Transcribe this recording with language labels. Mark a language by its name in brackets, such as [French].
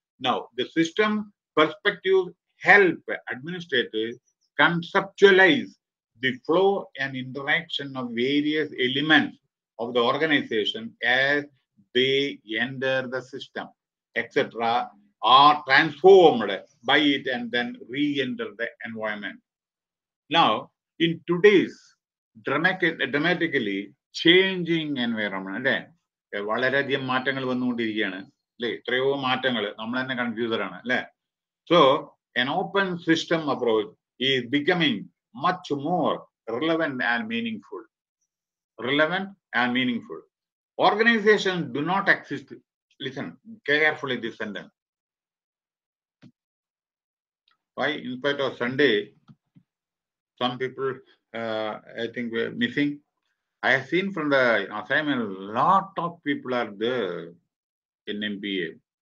[English] Now, the system perspective help administrators conceptualize the flow and interaction of various elements of the organization as they enter the system, etc., are transformed by it and then re-enter the environment. Now, in today's dramatically changing environment, [Malayalam] വളരെയധികം മാറ്റങ്ങൾ വന്നുകൊണ്ടിരിക്കുകയാണ് അല്ലേ എത്രയോ മാറ്റങ്ങൾ നമ്മൾ തന്നെ കൺഫ്യൂസറാണ് അല്ലേ [English] So an open system approach is becoming much more relevant and meaningful relevant and meaningful. Organizations do not exist. Listen carefully this sentence. Why, in spite of Sunday, some people I think were missing. I have seen from the assignment, a lot of people are there in MPA.